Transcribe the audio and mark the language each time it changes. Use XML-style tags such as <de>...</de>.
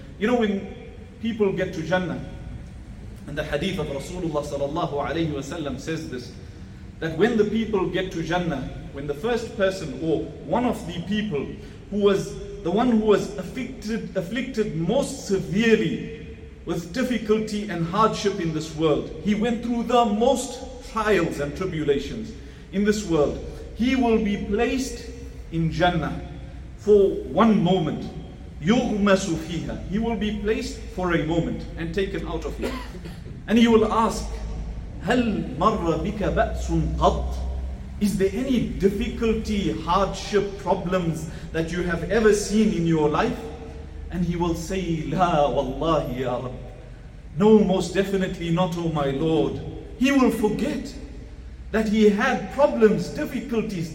<en>You know, when people get to Jannah, and the hadith of Rasulullah sallallahu alayhi wa sallam says this, that when the people get to Jannah, when the first person or one of the people who was the one who was afflicted most severely with difficulty and hardship in this world, he went through the most trials and tribulations in this world, he will be placed in Jannah for one moment.</en> <ar>يُغْمَسُ فِيهَا.</ar> <en>He will be placed for a moment and taken out of here. And he will ask,</en> <ar>هَلْ مَرَّ بِكَ بَأْسٌ قَطْ.</ar> <en>Is there any difficulty, hardship, problems that you have ever seen in your life? And he will say,</en> <ar>لَا وَاللَّهِ يَا رَبْ.</ar> <en>No, most definitely not, O my Lord. He will forget that he had problems, difficulties.</en>